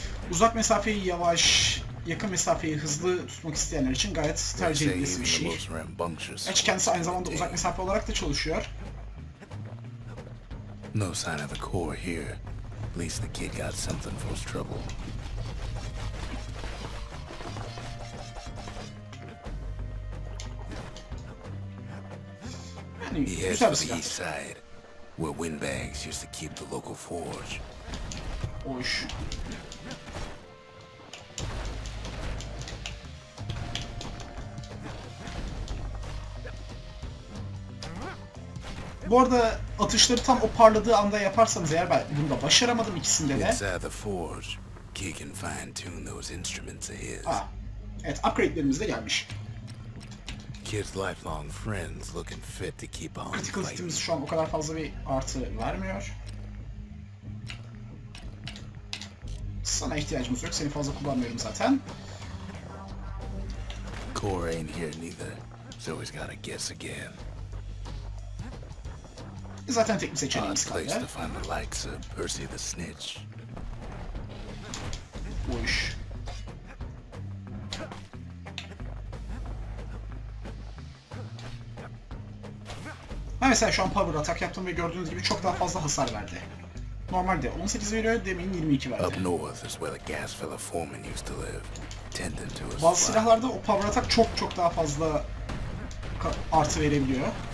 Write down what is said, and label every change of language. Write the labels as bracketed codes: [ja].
[tr] Uzak mesafeyi yavaş, yakın mesafeyi hızlı tutmak isteyenler için gayet tercih edilmesi bir şey. Açık kendisi aynı zamanda uzak mesafe olarak da çalışıyor. [en] No sign of the core here. At least the kid got something for his trouble. He heads to the east side, where windbags used to keep the local forge. Oish. [tr] Bu arada atışları tam o parladığı anda yaparsanız eğer ben bunu da başaramadım ikisinde de. [en] Inside the forge, he can fine tune those instruments of his. [tr] Ah, evet, upgrade'lerimiz de gelmiş. [en] Kid's lifelong friends looking fit to keep on. [tr] Critical hitimiz şu an o kadar fazla bir artı vermiyor. Sana ihtiyacımız yok, seni fazla kullanmıyorum zaten. [en] Core ain't here neither, so he's gotta guess again. [tr] Zaten tek bir seçeneğimiz kaldı. [en] Place to find the likes of Percy the Snitch. Uyş. [tr] Ha mesela şu an power attack yaptım ve gördüğünüz gibi çok daha fazla hasar verdi. Normalde 18 veriyor, demin 22 verdi. [en] Up north is where the gas fella foreman used to live. Tending to his [tr] bazı silahlarda o power attack çok çok daha fazla artı verebiliyor.